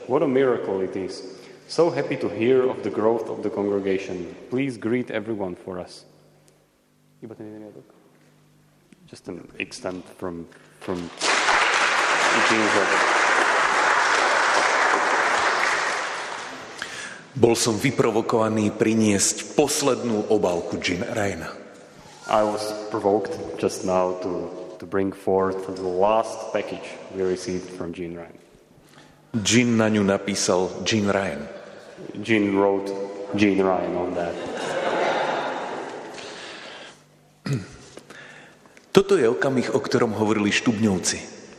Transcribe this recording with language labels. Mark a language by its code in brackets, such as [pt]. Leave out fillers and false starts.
[en] What a miracle it is. So happy to hear of the growth of the congregation. Please greet everyone for us." Just an extent from Gene's letter. [sk] Bol som vyprovokovaný priniesť poslednú obálku Gina Ryana. [en] I was provoked just now to bring forth the last package we received from Gene Ryan. [sk] Gene na ňu napísal Gene Ryan. [en] Gene wrote Gene Ryan on that. [sk] Toto je okamih, o ktorom hovorili Štubňovci.